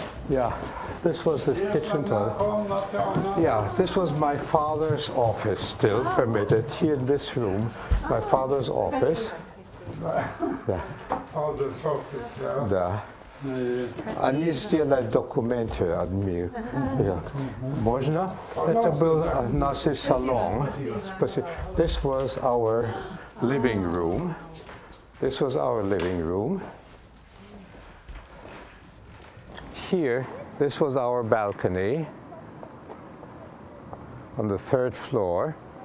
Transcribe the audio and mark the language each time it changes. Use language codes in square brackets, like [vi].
[en] Yeah, this was the kitchen table. Yeah, this was my father's office, still permitted, here in this room, my father's office. Father's office, yeah. [ru] Они сделали документы от меня. Можно? Это был наш салон. [en] This was our living room. This was our living room. Here, this was our balcony. on the third floor.